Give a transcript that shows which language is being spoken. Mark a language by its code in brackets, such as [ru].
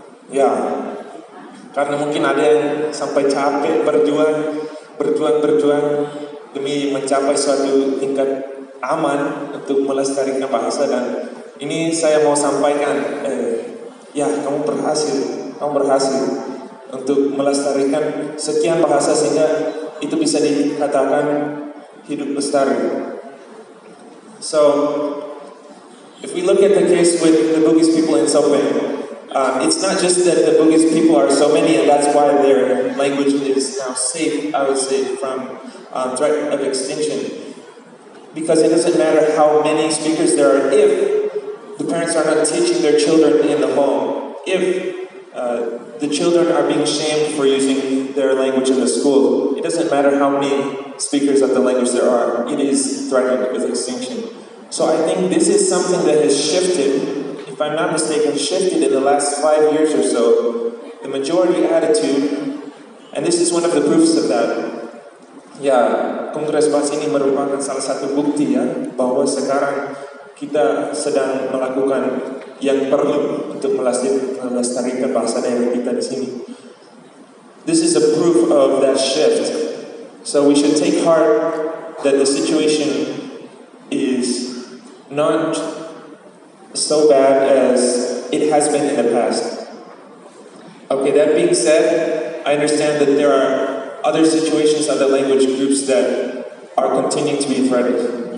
[id] Ya, karena mungkin ada yang sampai capek berjuang demi mencapai suatu tingkat aman untuk melestarikan bahasa. Dan ini saya mau sampaikan, ya kamu berhasil untuk melestarikan sekian bahasa sehingga itu bisa dikatakan hidup lestari. [en] So, if we look at the case with the Bugis people in Sopeng, it's not just that the Bugis people are so many and that's why their language is now safe, I would say, from threat of extinction. Because it doesn't matter how many speakers there are if the parents are not teaching their children in the home, if the children are being shamed for using their language in the school, it doesn't matter how many speakers of the language there are, it is threatened with extinction. So I think this is something that has shifted, if I'm not mistaken, shifted in the last 5 years or so, the majority attitude, and this is one of the proofs of that. [id] Ya, Kongres Bahasa ini merupakan salah satu bukti ya, bahwa sekarang kita sedang melakukan yang perlu untuk melestarikan bahasa daerah kita di sini. [en] This is a proof of that shift. So we should take heart that the situation is not so bad as it has been in the past. Okay, that being said, I understand that there are other situations, other language groups that are continuing to be threatened.